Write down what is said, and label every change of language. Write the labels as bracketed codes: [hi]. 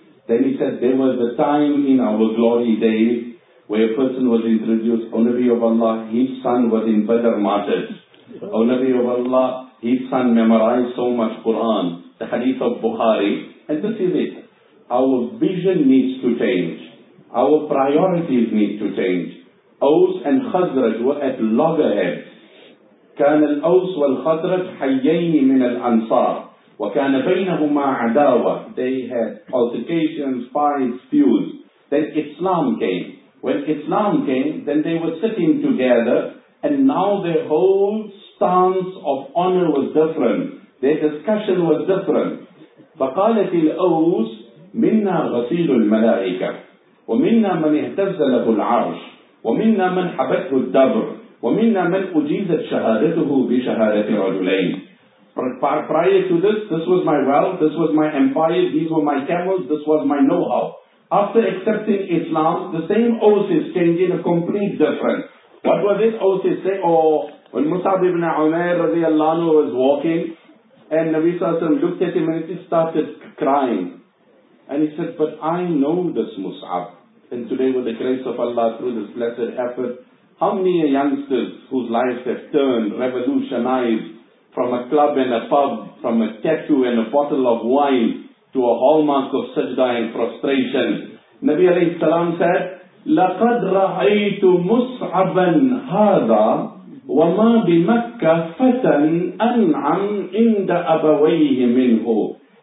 [en] Then he said, there was a time in our glory days where a person was introduced, O Nabi of Allah, his son was in Badr martyrs. O Nabi of Allah, his son memorized so much Quran, the hadith of Bukhari. And this is it. Our vision needs to change. Our priorities need to change. Aws and Khazraj were at loggerheads. [ar] كان الأوس والخزرج حيين من الأنصار وكان بينهما عداوة. [en] They had altercations, fights, feuds. Then Islam came. When Islam came, then they were sitting together, and now their whole stance of honor was different. Their discussion was different. [ar] فقالت الأوس منا غسيل الملائكة ومنا من اهتز له العرش ومنا من حبته الدبر ومنا من أجيزت شهادته بشهادة رجلين. [en] Prior to this, this was my wealth, this was my empire, these were my camels, this was my know-how. After accepting Islam, the same oath is changing, a complete difference. What was this oath is saying? Oh, when Musab ibn Umair radiallahu anhu was walking, and Nabi sallallahu alayhi wa sallam looked at him and he started crying. And he said, but I know this Musab. And today with the grace of Allah through this blessed effort, how many youngsters whose lives have turned, revolutionized from a club and a pub, from a tattoo and a bottle of wine, to a hallmark of sajda and prostration. [ar] Nabi alayhi salam said, لَقَدْ رَأَيْتُ مُصْعَبًا هَذَا وَمَا بِمَكَّةَ فَتًا أَنْعَمْ عِنْدَ أَبَوَيْهِ مِنْهُ.